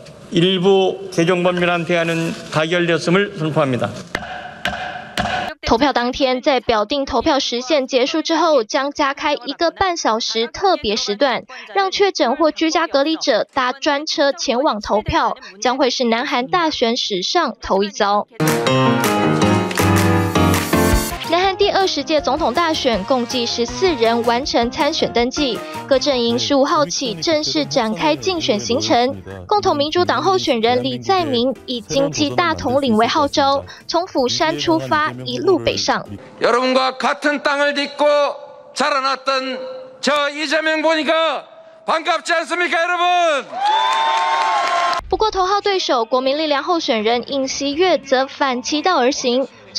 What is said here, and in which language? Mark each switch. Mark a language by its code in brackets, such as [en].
[ko] 일부 재정범위란 대안은 가결되었음을 선포합니다. [zh] 投票当天在表定投票时限结束之后，将加开一个半小时特别时段，让确诊或居家隔离者搭专车前往投票，将会是南韩大选史上头一遭。南韩第二十届总统大选共计14人完成参选登记，各阵营15号起正式展开竞选行程。共同民主党候选人李在明以经济大统领为号召，从釜山出发，一路北上。 [ko] 여러분과 같은 땅을 딛고 자라났던 저 이재명 보니까 반갑지 않습니까, 여러분? [zh] 不过头号对手国民力量候选人尹锡悦则反其道而行。